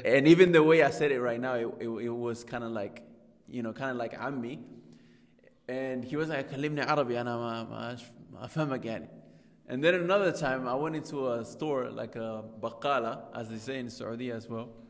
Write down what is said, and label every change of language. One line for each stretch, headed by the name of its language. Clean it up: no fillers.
English: And even the way I said it right now, it was kind of like, you know, kind of like عمي. And he was like,
Arabic: كلمني عربي أنا ما فهمك يعني.
English: And then another time, I went into a store like a بقالة, as they say in Saudi as well.